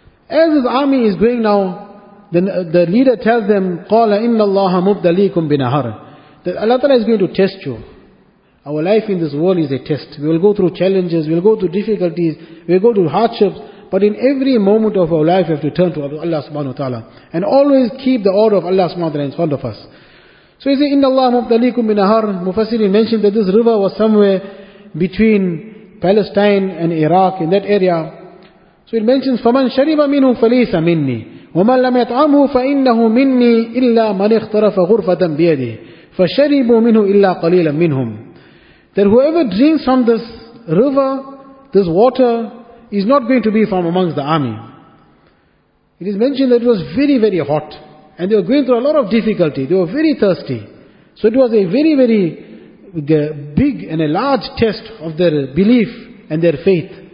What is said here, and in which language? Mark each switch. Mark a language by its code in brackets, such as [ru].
[en] As his army is going now, the leader tells them, [ar] قَالَ إِنَّ اللَّهَ مُبْدَلِيكُمْ بِنَهَرٍ. [en] That Allah Ta'ala is going to test you. Our life in this world is a test. We will go through challenges, we will go through difficulties, we will go through hardships, but in every moment of our life we have to turn to Allah subhanahu wa ta'ala and always keep the order of Allah subhanahu wa ta'ala in front of us. So he says, [ar] إِنَّ اللَّهَ مُبْدَلِيكُمْ بِنَهَرٍ. [en] Mufassirin mentioned that this river was somewhere between Palestine and Iraq, in that area. So it mentions, [ar] فَمَنْ شَرِبَ مِنْهُ فَلَيْسَ مِنِّي وَمَنْ لَمْ يَطْعَمْهُ فَإِنَّهُ مِنِّي إِلَّا مَنْ اخْتَرَفَ غُرْفَةً بِيَدِهِ فَشَرِبُوا مِنْهُ إِلَّا قَلِيلًا مِنْهُمْ. [en] That whoever drinks from this river, this water, is not going to be from amongst the army. It is mentioned that it was very, very hot. And they were going through a lot of difficulty. They were very thirsty. So it was a very, very big and a large test of their belief and their faith.